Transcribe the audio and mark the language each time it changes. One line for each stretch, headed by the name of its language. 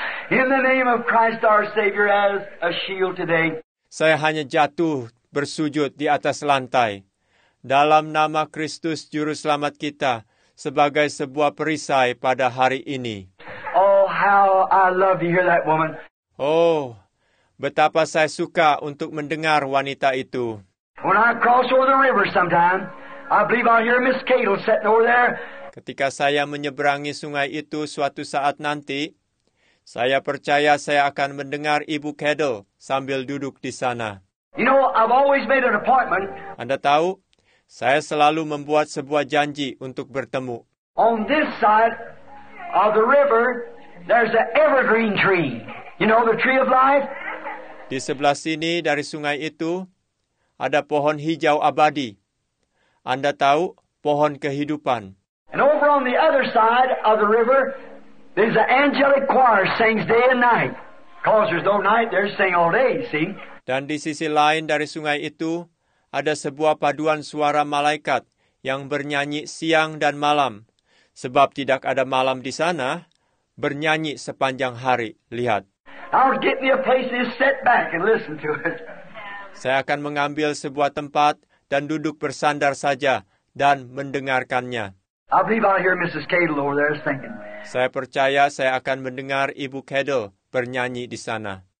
English: In the name of Christ our Savior as a shield today.
Indonesian: Saya hanya jatuh bersujud di atas lantai. Dalam nama Kristus Juru Selamat kita, sebagai sebuah perisai pada hari ini.
English: Oh, how I love to hear that woman.
Indonesian: Oh, betapa saya suka untuk mendengar wanita itu.
English: When I cross over the river sometime, I believe I'll hear Miss Cato sitting over there.
Indonesian: Ketika saya menyeberangi sungai itu suatu saat nanti, saya percaya saya akan mendengar Ibu Cato sambil duduk di sana.
English: You know, I've always made an appointment.
Indonesian: Anda tahu, saya selalu membuat sebuah janji untuk bertemu.
English: On this side of the river, there's an evergreen tree. You know the tree of life?
Indonesian: Di sebelah sini dari sungai itu, ada pohon hijau abadi. Anda tahu, pohon kehidupan.
English: And over on the other side of the river, there's an angelic choir sings day and night. Because there's no night, they're singing all day, see?
Indonesian: Dan di sisi lain dari sungai itu, ada sebuah paduan suara malaikat yang bernyanyi siang dan malam. Sebab tidak ada malam di sana, bernyanyi sepanjang hari. Lihat.
English: I'll get me a place to sit back and listen to it.
Indonesian: Saya akan mengambil sebuah tempat dan duduk bersandar saja dan mendengarkannya.
English: I believe I'll hear Mrs. Cato over there singing.
Indonesian: Saya percaya saya akan mendengar Ibu Cato bernyanyi di sana.